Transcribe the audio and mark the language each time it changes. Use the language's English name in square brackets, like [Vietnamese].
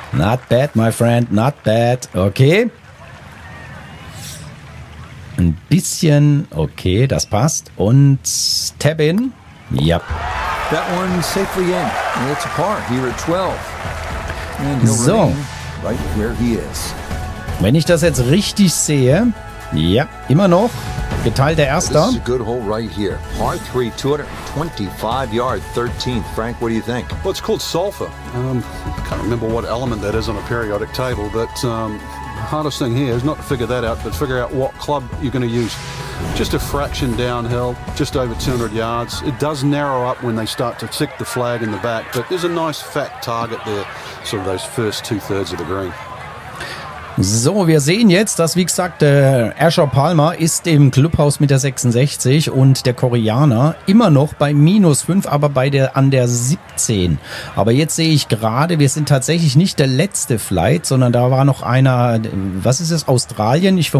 [English] Not bad, my friend. Not bad. Okay. [German] Ein bisschen. Okay, das passt. Und [English] tap in. Yep. That one safely in. And it's a par here at 12. And he'll so remain right where he is. [German] Wenn ich das jetzt richtig sehe. Ja, immer noch. Geteilter Erster. [English] This is a good hole right here. Par 3, 225 yards, 13th. Frank, what do you think? Well, it's called sulfur. I can't remember what element that is on a periodic table, but the hardest thing here is not to figure that out, but figure out what club you're going to use. Just a fraction downhill, just over 200 yards. It does narrow up when they start to tick the flag in the back, but there's a nice fat target there, sort of those first two-thirds of the green. [German] So, wir sehen jetzt, dass, wie gesagt, Asher Palmer ist im Clubhaus mit der 66 und der Koreaner immer noch bei minus 5, aber an der 17. Aber jetzt sehe ich gerade, wir sind tatsächlich nicht der letzte Flight, sondern da war noch einer, was ist es, Australien?